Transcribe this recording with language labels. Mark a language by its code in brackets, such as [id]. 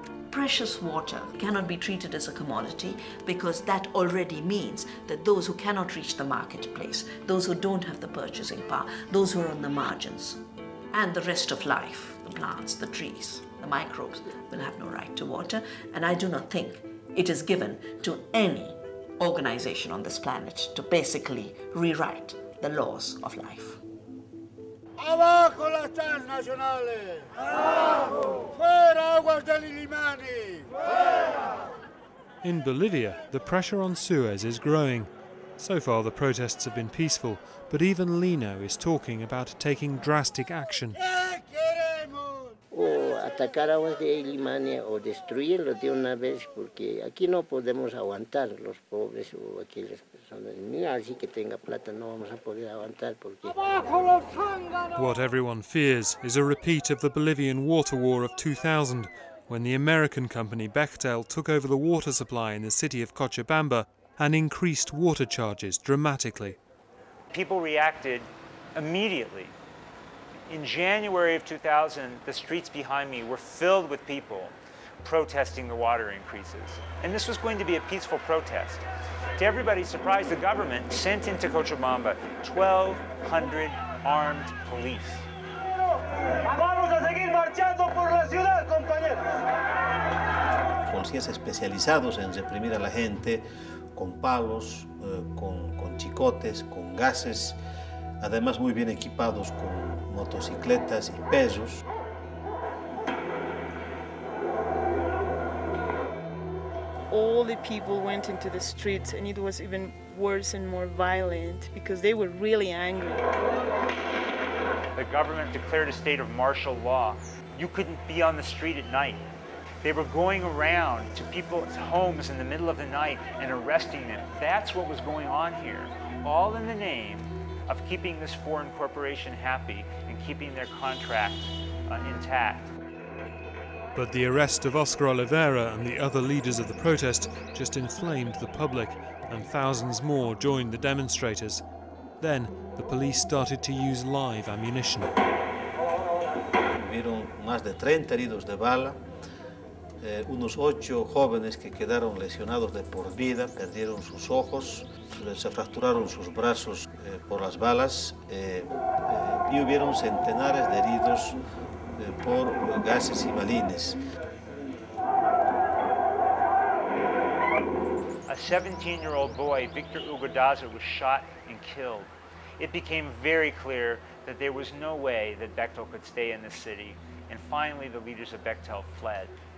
[en] Precious water cannot be treated as a commodity because that already means that those who cannot reach the marketplace, those who don't have the purchasing power, those who are on the margins, and the rest of life, the plants, the trees, the microbes, will have no right to water. And I do not think it is given to any organization on this planet to basically rewrite the laws of life. [es] Abajo las tasas nacionales! Abajo! Fuera aguas del Illimani! Fuera! [en] In Bolivia, the pressure on Suez is growing. So far, the protests have been peaceful, but even Lino is talking about taking drastic action. [es] Atacar agua de Limania o destruirlo de una vez, porque aquí no podemos aguantar los pobres o aquellas personas. Ni así que tenga plata no vamos a poder aguantar porque... [en] What everyone fears is a repeat of the Bolivian water war of 2000, when the American company Bechtel took over the water supply in the city of Cochabamba and increased water charges dramatically. People reacted immediately. In January of 2000, the streets behind me were filled with people protesting the water increases. And this was going to be a peaceful protest. To everybody's surprise, the government sent into Cochabamba 1,200 armed police. [es] Vamos a seguir marchando por la ciudad, compañeros. Policías especializados en reprimir a la gente con palos, con chicotes, con gases, además muy bien equipados con motocicletas y pesos. [en] All the people went into the streets and it was even worse and more violent because they were really angry. The government declared a state of martial law. You couldn't be on the street at night. They were going around to people's homes in the middle of the night and arresting them. That's what was going on here, all in the name of keeping this foreign corporation happy and keeping their contract intact. But the arrest of Oscar Oliveira and the other leaders of the protest just inflamed the public, and thousands more joined the demonstrators. Then the police started to use live ammunition. [es] Hubieron más de 30 heridos de bala, unos 8 jóvenes que quedaron lesionados de por vida, perdieron sus ojos. Se fracturaron sus brazos por las balas y hubieron centenares de heridos por gases y balines. [en] A 17-year-old boy, Victor Ugadaza, was shot and killed. It became very clear that there was no way that Bechtel could stay in the city, and finally the leaders of Bechtel fled.